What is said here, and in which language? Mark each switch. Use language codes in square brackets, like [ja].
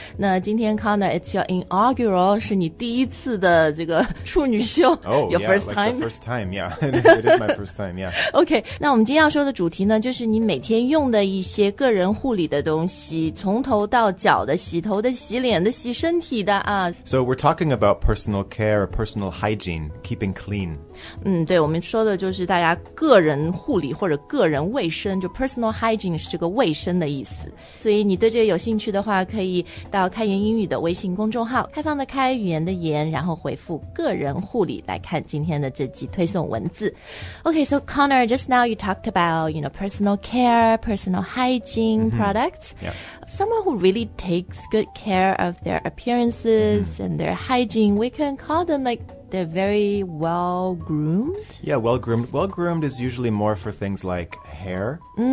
[zh] 那今天 Connor [en] It's your inaugural， [zh] 是你第一次的这个出女秀。 [en] Your first time, yeah. [zh] OK， 那我们今天要说的主题呢，就是你每天用的一些个人护理的东西，从头到脚的，洗头的，洗脸的，洗身体的啊。 [en] So we're talking about personal care, personal hygiene, keeping clean. [zh] 嗯，对，我们说的就是大家个人护理或者个人卫生，就 personal hygiene 是这个卫生的意思。所以你对这个有兴趣的话，可以到开言英语的微信公众号，开放的开，语言的言，然后回复个人护理来看今天的这集推送文字。 [en] Okay, so Connor, just now you talked about, you know, personal care, personal hygiene、mm-hmm. products. Yeah. Someone who really takes good care of their appearances、mm-hmm. and their hygiene, we can call them like they're very well-groomed. Yeah, well-groomed. Well-groomed is usually more for things like hair,、mm.